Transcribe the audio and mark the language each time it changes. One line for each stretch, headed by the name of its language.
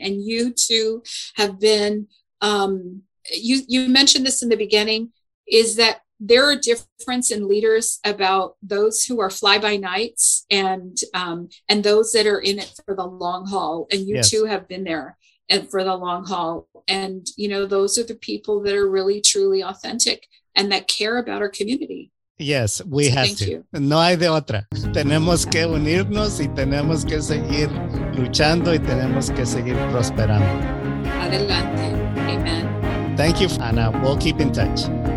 English: And you too have been, you mentioned this in the beginning, is that there are difference in leaders about those who are fly by nights and those that are in it for the long haul. And you too have been there and for the long haul. And, you know, those are the people that are really, truly authentic and that care about our community. Yes, we have to.
Spanish: No hay de otra. Tenemos que unirnos y tenemos que seguir luchando y tenemos que seguir prosperando. Adelante. Amen.
English: Thank you, Ana. We'll keep in touch.